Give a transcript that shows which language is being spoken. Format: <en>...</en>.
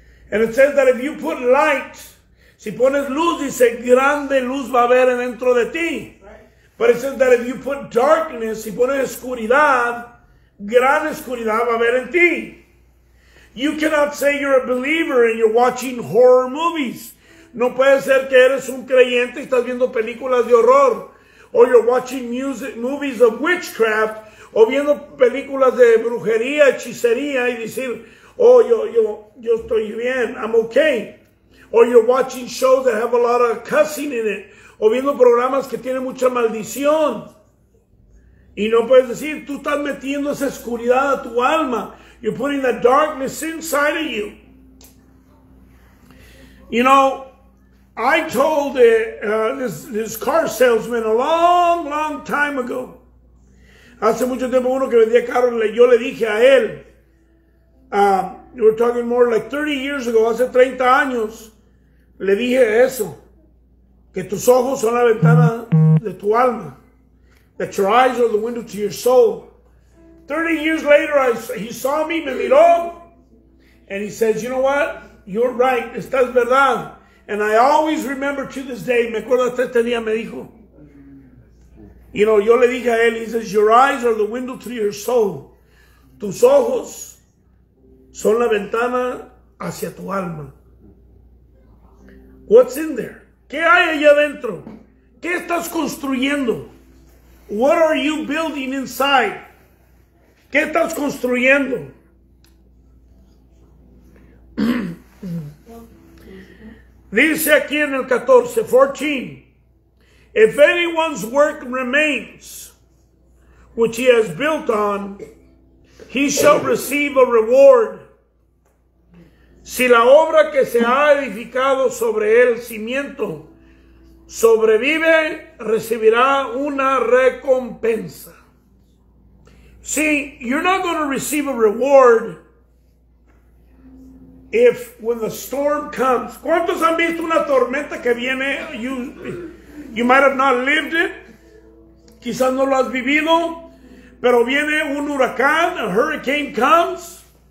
<en>And it says that if you put light,</en> <es>si pones luz, dice, grande luz va a haber dentro de ti.</es> <en>Right. But it says that if you put darkness,</en> <es>si pones oscuridad, gran oscuridad va a haber en ti.</es> <en>You cannot say you're a believer and you're watching horror movies.</en> <es>No puede ser que eres un creyente y estás viendo películas de horror.</es> <en>Or you're watching music, movies of witchcraft,</en> <es>o viendo películas de brujería, hechicería, y decir, oh, yo estoy bien,</es> <en>I'm okay. Or you're watching shows that have a lot of cussing in it,</en> <es>o viendo programas que tienen mucha maldición. Y no puedes decir, tú estás metiendo esa oscuridad a tu alma.</es> <en>You're putting that darkness inside of you. You know, I told this car salesman a long, long time ago.</en> <es>Hace mucho tiempo uno que vendía carro, yo le dije a él.</es> <en>We're talking more like 30 years ago,</en> <es>hace 30 años. Le dije eso. Que tus ojos son la ventana de tu alma.</es> <en>That your eyes are the window to your soul. 30 years later, he saw me,</en> <es>me miró.</es> <en>And he says, you know what? You're right.</en> <es>Esta es verdad.</es> <en>And I always remember to this day,</en> <es>me acuerdo hasta este día, me dijo.</es> <en>You know,</en> <es>yo le dije a él,</es> <en>he says, your eyes are the window to your soul.</en> <es>Tus ojos son la ventana hacia tu alma.</es> <en>What's in there?</en> <es>¿Qué hay allá adentro? ¿Qué estás construyendo?</es> <en>What are you building inside?</en> <es>¿Qué estás construyendo? Dice aquí en el 14:14,</es> <en>if anyone's work remains, which he has built on, he shall receive a reward.</en> <es>Si la obra que se ha edificado sobre el cimiento sobrevive, recibirá una recompensa.</es> <en>See, you're not going to receive a reward if when the storm comes.</en> <es>¿Cuántos han visto una tormenta que viene?</es> <en>You might have not lived it.</en> <es>Quizás no lo has vivido. Pero viene un huracán,</es> <en>a hurricane comes.</en>